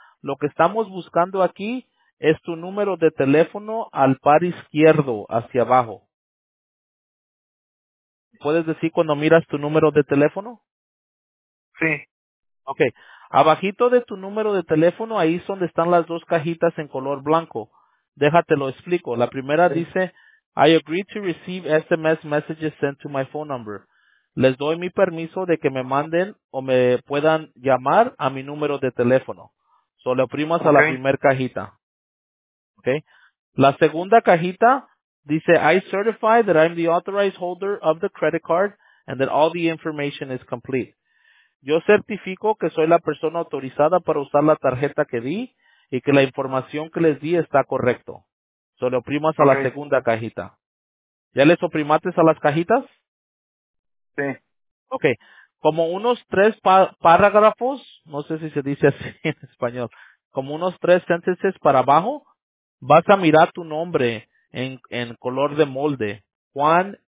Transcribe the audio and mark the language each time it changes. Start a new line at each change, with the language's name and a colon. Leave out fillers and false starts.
Spanish: Lo que estamos buscando aquí es tu número de teléfono al par izquierdo, hacia abajo. ¿Puedes decir cuando miras tu número de teléfono? Sí. Okay. Abajito de tu número de teléfono, ahí es donde están las dos cajitas en color blanco. Déjate lo explico. La primera dice,
English: I agree to receive SMS messages sent to my phone number.
Spanish: Les doy mi permiso de que me manden o me puedan llamar a mi número de teléfono. So, le oprimas a la primera cajita. Okay. La segunda cajita dice,
English: I certify that I'm the authorized holder of the credit card and that all the information is complete.
Spanish: Yo certifico que soy la persona autorizada para usar la tarjeta que di y que la información que les di está correcto. So, le oprimas a la segunda cajita. ¿Ya les oprimates a las cajitas? Sí. Okay. Como unos tres párrafos, no sé si se dice así en español, como unos tres sentences para abajo, vas a mirar tu nombre en color de molde, Juan